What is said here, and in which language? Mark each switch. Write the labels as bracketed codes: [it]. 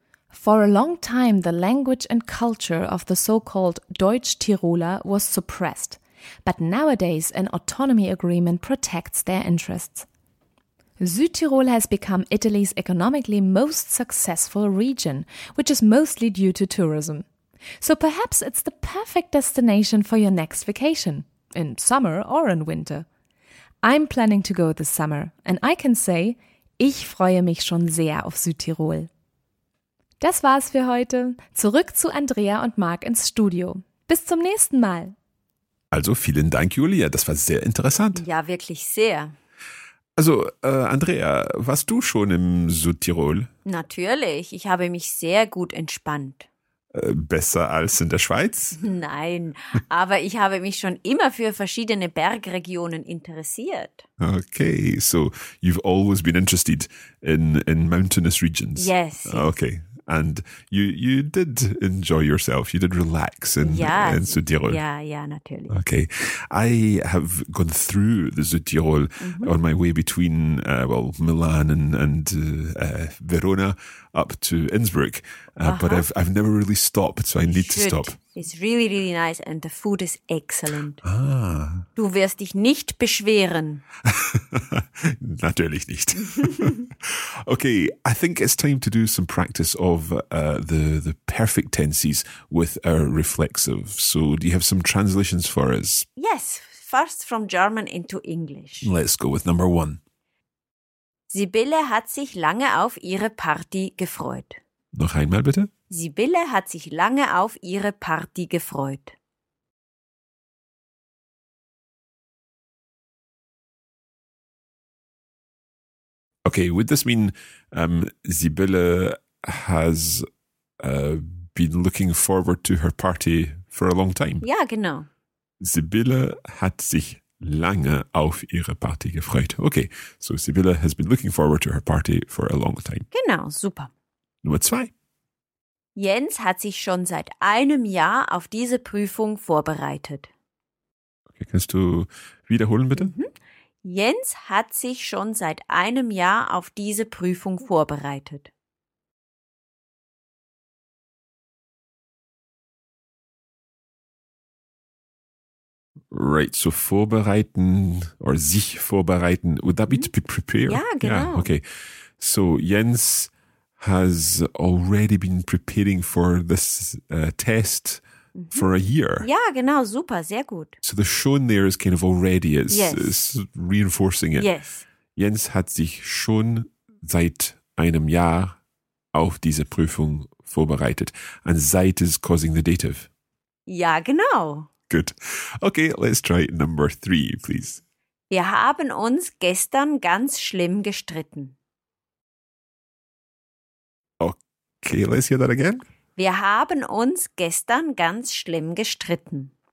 [en] For a long time, the language and culture of the so-called Deutsch-Tiroler was suppressed, but nowadays an autonomy agreement protects their interests. Südtirol has become Italy's economically most successful region, which is mostly due to tourism. So perhaps it's the perfect destination for your next vacation, in summer or in winter. I'm planning to go this summer, and I can say, [de] ich freue mich schon sehr auf Südtirol. Das war's für heute. Zurück zu Andrea und Marc ins Studio. Bis zum nächsten Mal. Also vielen Dank, Julia. Das war sehr interessant. Ja, wirklich sehr. Also, Andrea, warst du schon im Südtirol? Natürlich. Ich habe mich sehr gut entspannt. Besser als in der Schweiz? Nein, aber ich habe mich schon immer für verschiedene Bergregionen interessiert. [en] Okay, so you've always been interested in mountainous regions. Yes. Okay. And you did enjoy yourself. You did relax in Südtirol. Yeah, natürlich. Okay. I have gone through the Südtirol on my way between, Milan and Verona up to Innsbruck. But I've never really stopped, so I need to stop. It's really, really nice and the food is excellent. Ah. [de] Du wirst dich nicht beschweren. Natürlich nicht. [en] Okay, I think it's time to do some practice of the perfect tenses with our reflexive. So do you have some translations for us? Yes, first from German into English. Let's go with number one. [de] Sibylle hat sich lange auf ihre Party gefreut. Noch einmal bitte. Sibylle hat sich lange auf ihre Party gefreut. [en] Okay, would this mean Sibylle has been looking forward to her party for a long time? [de] Ja, genau. Sibylle hat sich lange auf ihre Party gefreut. [en] Okay, so Sibylle has been looking forward to her party for a long time. [de] Genau, super. Nummer zwei. Jens hat sich schon seit einem Jahr auf diese Prüfung vorbereitet. Okay, kannst du wiederholen, bitte? Mhm. Jens hat sich schon seit einem Jahr auf diese Prüfung vorbereitet. [en] Right, so vorbereiten or sich vorbereiten. Would that be to be prepared? [de] Ja, genau. [en] Yeah, okay, so Jens has already been preparing for this test for a year. [de] Ja, genau, super, sehr gut. [en] So the schon there is kind of already, it's reinforcing it. Yes. [de] Jens hat sich schon seit einem Jahr auf diese Prüfung vorbereitet. [en] And seit is causing the dative. [de] Ja, genau. [en] Good. Okay, let's try number three, please. [de] Wir haben uns gestern ganz schlimm gestritten. [en] Okay, let's hear that again. [de] Wir haben uns gestern ganz schlimm gestritten.